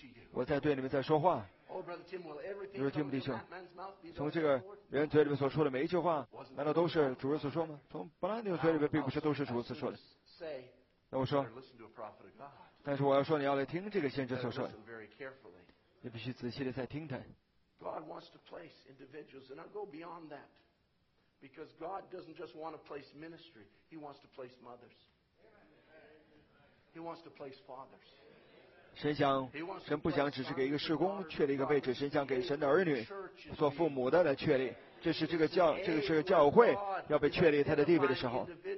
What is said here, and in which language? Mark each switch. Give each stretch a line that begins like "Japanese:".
Chinese: 我在对你们在说话。你说听不听？从这个人嘴里面所说的每一句话，难道都是主人所说吗？从巴拉丁嘴里面并不是都是主人所说的。那我说，但是我要说，你要来听这个先知所说的，你必须仔细的再听他。
English: God wants to place individuals, and I go beyond that, because God doesn't just want to place ministry; He wants to place mothers. He wants to place fathers.
Chinese: 神想，神不想只是给一个事工确立一个位置，神想给神的儿女做父母的来确立。这是这个教，这个是教会要被确立他的地位的时候。